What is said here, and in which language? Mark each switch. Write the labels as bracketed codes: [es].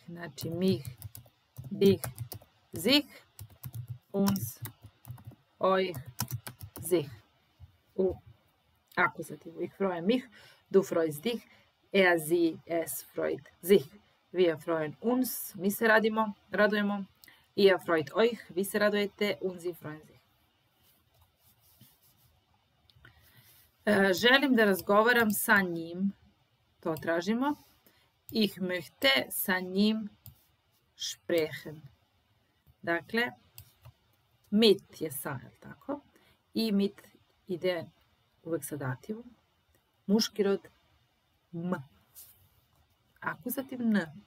[sr] Znači, [de] mich, dich, sich, uns, euch, sich. [sr] U akuzativu. [de] Ich freue mich, du freust dich, er, sie, es freut sich. Wir freuen uns, [sr] mi se radimo, radujemo. [de] Ihr freut euch, [sr] vi se radujete, [de] und sie freuen sich. [sr] Želim da razgovaram sa njim. To tražimo. [de] Ich möchte [sr] sa njim [de] sprechen. [sr] Dakle, mit je sa, je li tako? I mit ide uvek sa dativom. Muški rod m. Akuzativ n.